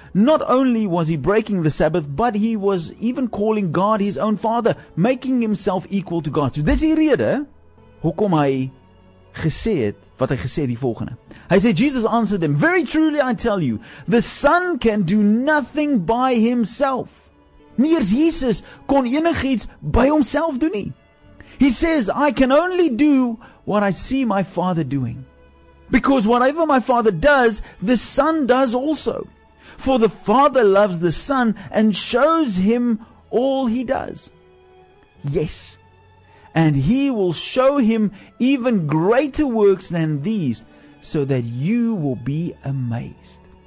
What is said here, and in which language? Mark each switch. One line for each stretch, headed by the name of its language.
English: Not only was he breaking the Sabbath, but he was even calling God his own father, making himself equal to God. So dis die rede, hoekom hy gesê het, wat hy gesê het die volgende. Hy sê, Jesus answered them, very truly I tell you, the Son can do nothing by himself.
Afrikaans: Nie eers Jesus kon enig iets by homself doen nie.
English: He says, I can only do what I see my Father doing. Because whatever my Father does, the Son does also. For the Father loves the Son and shows him all he does. Yes. And he will show him even greater works than these, so that you will be amazed.